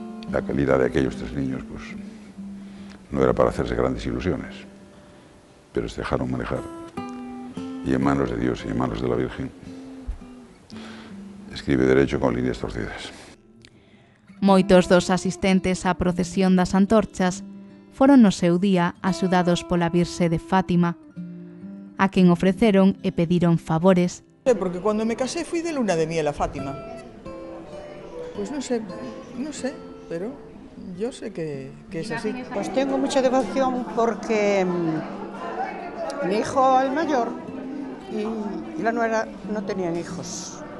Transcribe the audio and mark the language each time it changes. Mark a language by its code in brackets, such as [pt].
[es] La calidad de aquellos tres niños, pues, no era para hacerse grandes ilusiones, pero se dejaron manejar. Y en manos de Dios y en manos de la Virgen, escribe derecho con líneas torcidas. [gl] Moitos dos asistentes á procesión das antorchas foron no seu día axudados pola Virxe de Fátima, a quen ofreceron e pediron favores. [es] Sí, porque cuando me casé fui de luna de miel a Fátima. Pues no sé, pero yo sé que es así. Pues tengo mucha devoción porque mi hijo, el mayor, y la nuera no tenían hijos.